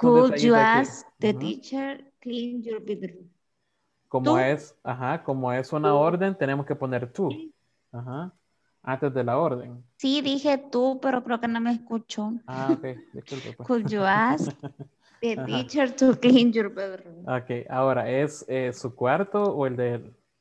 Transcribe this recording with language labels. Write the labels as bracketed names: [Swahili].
[English] Could you ask the teacher clean your bedroom? [Spanish] Como es una orden, tenemos que poner tú. Ajá. Antes de la orden. Sí, dije tú, pero creo que no me escucho. Ah, ok. Disculpe, pues. [English] Could you ask the teacher to clean your bedroom? [Spanish] Ok, ahora, ¿es su cuarto o el de él?